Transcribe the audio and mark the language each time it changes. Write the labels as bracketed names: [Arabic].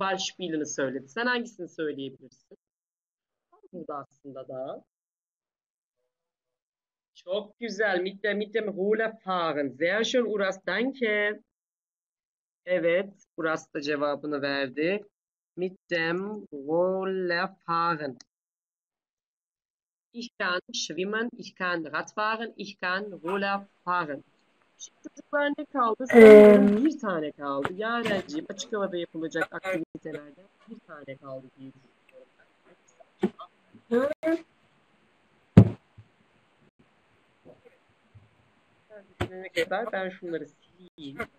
[German] Ball spielen'ı [Turkish] söyledi. Sen hangisini söyleyebilirsin? Burada aslında da. Çok güzel. [German] Mit dem Ruder fahren. Sehr schön, Uras. Danke. [Turkish] Evet, Uras da cevabını verdi. [German] Mit dem Ruder fahren. Ich kann schwimmen, ich kann Rad fahren, ich kann Ruder fahren. [Turkish] Şimdi çocuklar ne kaldı? Sanırım bir tane kaldı. Yarenciğim, açık havada yapılacak aktivitelerden bir tane kaldı diye düşünüyorum. Düşünene kadar ben şunları sileyim.